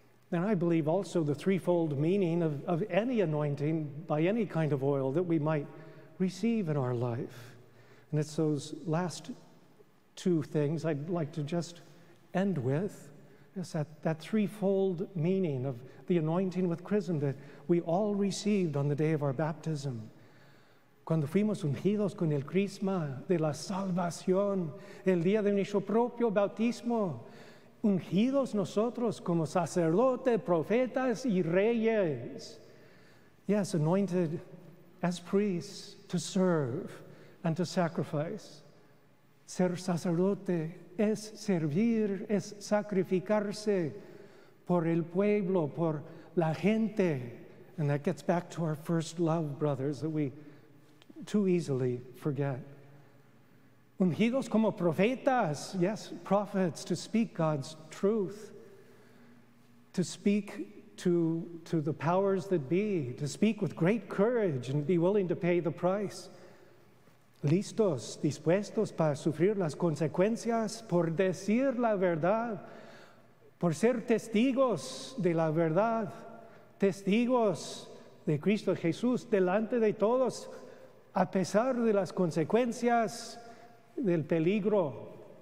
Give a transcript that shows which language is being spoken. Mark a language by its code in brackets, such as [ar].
[en] And I believe also the threefold meaning of any anointing by any kind of oil that we might receive in our life. And it's those last two things I'd like to just end with. Yes, that threefold meaning of the anointing with chrism that we all received on the day of our baptism. [es] Cuando fuimos ungidos con el crisma de la salvación, el día de nuestro propio bautismo, ungidos nosotros como sacerdotes, profetas y reyes. [en] Yes, anointed as priests to serve and to sacrifice. [es] Ser sacerdote es servir, es sacrificarse por el pueblo, por la gente. [en] And that gets back to our first love, brothers, that we too easily forget. [es] Ungidos como profetas, [en] yes, prophets, to speak God's truth, to speak to the powers that be, to speak with great courage and be willing to pay the price. [es] Listos, dispuestos para sufrir las consecuencias por decir la verdad, por ser testigos de la verdad, testigos de Cristo Jesús delante de todos, a pesar de las consecuencias del peligro.